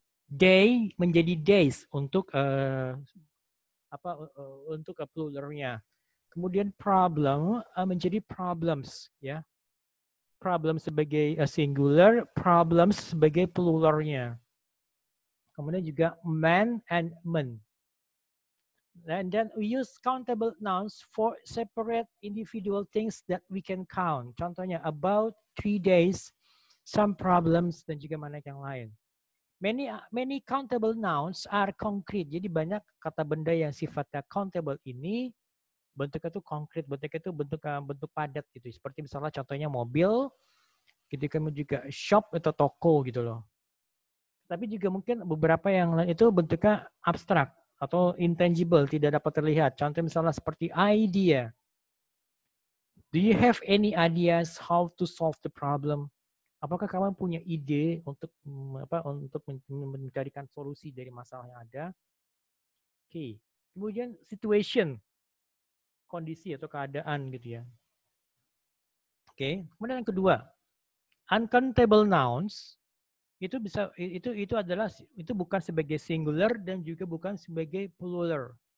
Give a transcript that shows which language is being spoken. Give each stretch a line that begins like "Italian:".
Indonesian: Day menjadi days untuk plural-nya. Kemudian problem menjadi problems, ya. Problem sebagai singular, problems sebagai plural-nya. Kemudian juga
English: man and men. And then we use countable nouns for separate individual things that we can count.
Indonesian: Contohnya about, 3 days,
English: some problems,
Indonesian: dan juga banyak yang lain.
English: Many countable nouns are concrete.
Indonesian: Jadi banyak kata benda yang sifatnya countable ini bentuknya itu concrete, bentuknya itu bentuk padat gitu. Seperti misalnya contohnya mobil, gitu, kamu juga shop atau toko gitu loh. Tapi juga mungkin beberapa yang lain itu bentuknya abstrak atau intangible, tidak dapat terlihat. Contoh misalnya seperti idea.
English: Do you have any ideas how to solve the problem?
Indonesian: Apakah kamu punya ide untuk mencarikan solusi dari masalah yang ada? Oke. Okay. Kemudian situation, kondisi atau keadaan gitu ya. Oke. Okay. Kemudian yang kedua, uncountable nouns itu bukan sebagai singular dan juga bukan sebagai plural.